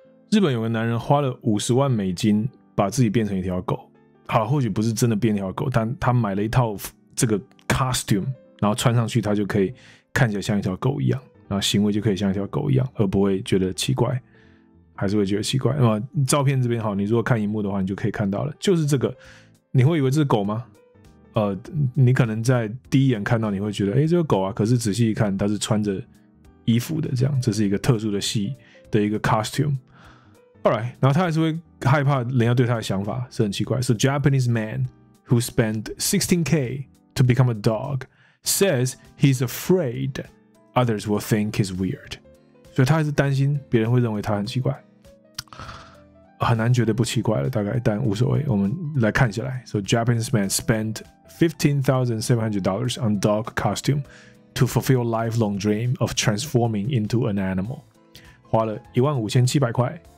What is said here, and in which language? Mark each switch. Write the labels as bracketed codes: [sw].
[zh] 日本有个男人花了50万美金把自己变成一条狗，好，或许不是真的变一条狗，但他买了一套这个 costume， 然后穿上去他就可以看起来像一条狗一样，然后行为就可以像一条狗一样，而不会觉得奇怪，还是会觉得奇怪。那么照片这边好，你如果看荧幕的话，你就可以看到了，就是这个，你会以为这是狗吗？你可能在第一眼看到你会觉得，哎，这个狗啊，可是仔细一看，它是穿着衣服的，这样，这是一个特殊的戏的一个 costume。 Alright， 然后他还是会害怕人家对他的想法，是很奇怪。 [en] So Japanese man who spent $16K to become a dog says he's afraid others will think he's weird。 [zh] 所以他还是担心别人会认为他很奇怪，很难觉得不奇怪了，大概，但无所谓。我们来看下来。 [en] So Japanese man spent $15,700 on dog costume to fulfill lifelong dream of transforming into an animal，花了15,700块。